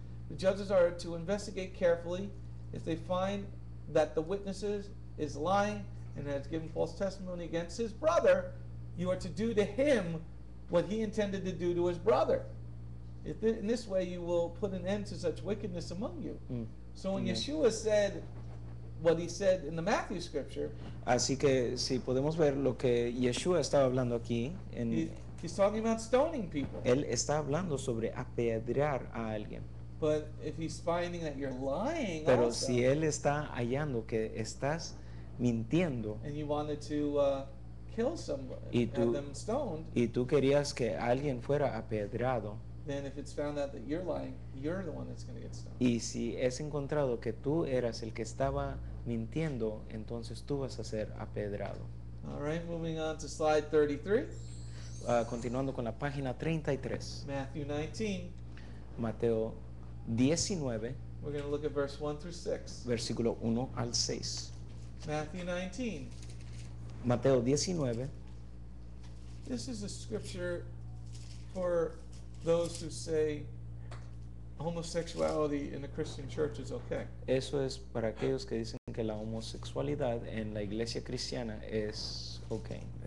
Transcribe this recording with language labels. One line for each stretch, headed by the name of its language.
English: The judges are to investigate carefully. If they find that the witness is lying and has given false testimony against his brother, you are to do to him what he intended to do to his brother. In this way, you will put an end to such wickedness among you. So when Yeshua said what he said in the Matthew scripture,
Spanish: así que si podemos ver lo que Yeshua estaba hablando aquí en,
English: he's talking about stoning people.
Spanish: Él está hablando sobre apedrear a alguien.
English: But if he's finding that you're lying,
Spanish: pero
English: also,
Spanish: si él está hallando que estás mintiendo,
English: and you wanted to kill somebody, have them stoned,
Spanish: y tú querías que alguien fuera apedreado,
English: then if it's found out that you're lying, you're the one that's going to get stoned.
Spanish: Y si es encontrado que tú eras el que estaba mintiendo, entonces tú vas a ser apedreado.
English: All right, moving on to slide 33.
Spanish: Continuando con la página 33.
English: Matthew 19.
Spanish: Mateo 19.
English: We're going to look at verse 1 through 6.
Spanish: Versículo 1 al 6.
English: Matthew 19.
Spanish: Mateo 19.
English: This is a scripture for those who say homosexuality in the Christian church is okay.
Spanish: Eso es para aquellos que dicen que la homosexualidad en la iglesia cristiana es okay.